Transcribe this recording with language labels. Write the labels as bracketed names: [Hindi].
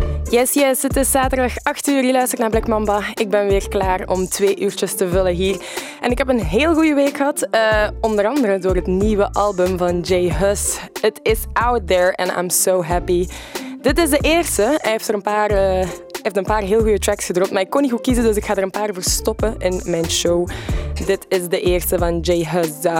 [Dutch] Yes, yes, het is zaterdag 8 uur, je luistert naar Black Mamba. Ik ben weer klaar om 2 uurtjes te vullen hier. En ik heb een heel goede week gehad, onder andere door het nieuwe album van Jay Huss. [English] It is out there and I'm so happy. [Dutch] Dit is de eerste, hij heeft een paar heel goede tracks gedropt, maar ik kon niet goed kiezen, dus ik ga er een paar voor stoppen in mijn show. Dit is de eerste van Jay Huss.